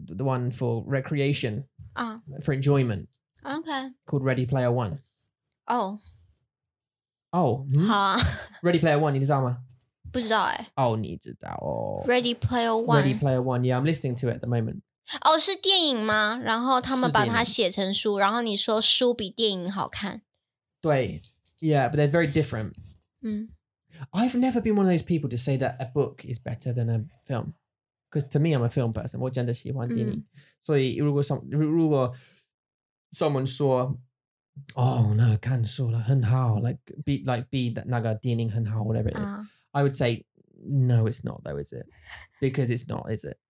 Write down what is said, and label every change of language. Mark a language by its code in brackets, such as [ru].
[en] The one for recreation. For enjoyment. Okay. Called Ready Player One. Oh. Oh. Hmm? Huh. [zh] Ready Player One, 你知道吗？不知道欸。 Oh, 你知道哦。 [en] Ready Player One. Ready Player One, yeah, I'm listening to it at the moment. [zh] Oh, 是电影吗？然后他们把它写成书，然后你说书比电影好看。对。 [en] Yeah, but they're very different. 嗯。 I've never been one of those people to say that a book is better than a film. Because to me, I'm a film person. [zh] 我真的喜欢电影。所以如果 [en] someone 说 ，Oh no, [zh] 看书了很好 [en] ，like be that [zh] 那个电影很好 [en] ，whatever it is,、I would say no, it's not though, is it? Because it's not, is it?